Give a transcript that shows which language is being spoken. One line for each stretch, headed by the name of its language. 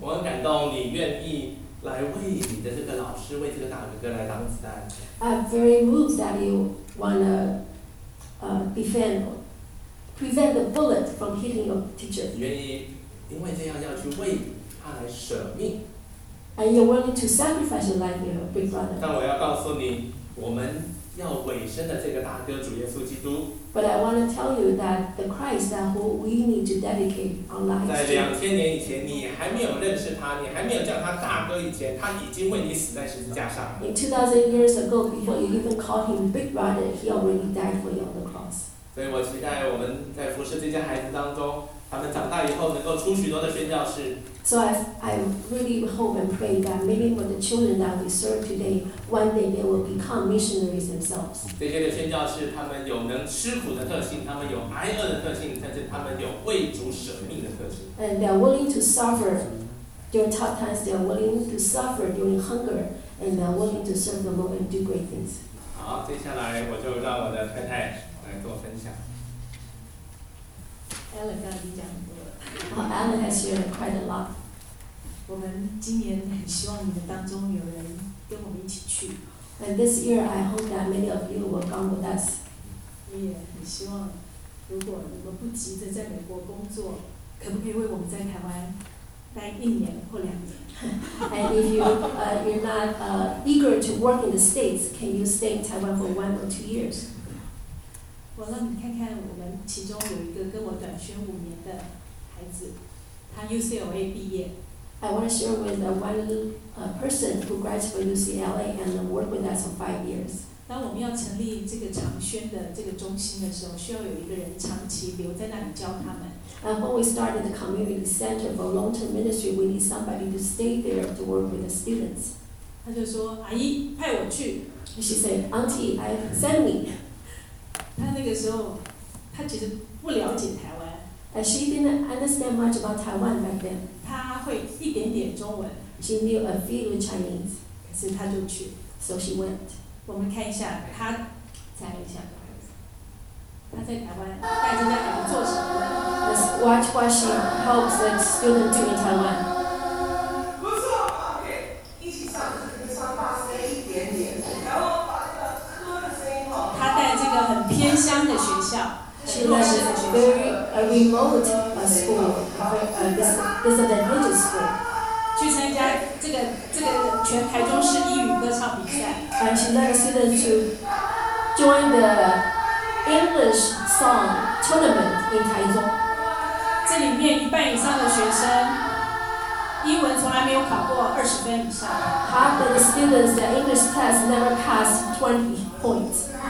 Chinese: 我很感动，你愿意来为你的这个老师，为这个大哥哥来挡子弹。
English: I'm very moved that you want to defend, prevent the bullet from hitting your teacher.
Chinese: 愿意因为这样要去为他来舍命。
English: And you're willing to sacrifice your life, your big brother.
Chinese: 但我要告诉你，我们要委身的这个大哥主耶稣基督。
English: But I want to tell you that the Christ that who we need to dedicate our lives.
Chinese: 在2000年以前，你还没有认识他，你还没有叫他大哥以前，他已经为你死在十字架上。
English: In 2000 years ago, before you even call him big brother, he already died for you on the cross.
Chinese: 所以我期待我们在服侍这些孩子当中，他们长大以后能够出许多的宣教士。
English: So I really hope and pray that many of the children that we serve today, one day they will become missionaries themselves.
Chinese: 这些的宣教士，他们有能吃苦的特性，他们有挨饿的特性，但是他们有为主舍命的特性。
English: And they are willing to suffer during tough times. They are willing to suffer during hunger, and they are willing to serve the Lord and do great things.
Chinese: 好，接下来我就让我的太太来做分享。 Ellen 刚才讲过。
English: Alan has shared quite a lot.
Chinese: 我们今年很希望你们当中有人跟我们一起去。
English: And this year, I hope that many of you will come with us.
Chinese: 我也很希望，如果你们不急着在美国工作，可不可以为我们在台湾待一年或两年？
English: And if you you're not eager to work in the States, can you stay in Taiwan for 1 or 2 years?
Chinese: 我让你看看我们其中有一个跟我短宣5年的。他 UCLA 毕业。
English: I want to share with one person who graduated UCLA and worked with us for 5 years.
Chinese: 当我们要成立这个长宣的这个中心的时候，需要有一个人长期留在那里教他们。
English: And when we started the community center for long-term ministry, we need somebody to stay there to work with the students.
Chinese: 他就说：“阿姨，派我去。”
English: She said, "Auntie, I send me."
Chinese: 他那个时候，他其实不了解台湾。
English: And she didn't understand much about Taiwan back then.
Chinese: 她会一点点中文。
English: She knew a few Chinese.
Chinese: 可是她就去。
English: So she went.
Chinese: 我们看一下她在台湾带着那孩子做什么。
English: Let's watch what she helps the student do in Taiwan.
Chinese: 不错，一起上这个沙发深一点点，然后把这个歌的声音她带这个很偏乡的学校。
English: She learned a very remote school, a disadvantaged school.
Chinese: 去参加这个全台中市英语歌唱比赛。
English: And she learned students to join the English song tournament in 台中。
Chinese: 这里面一半以上的学生英文从来没有考过20分以上。
English: Half of the students, the English test never passed 20 points.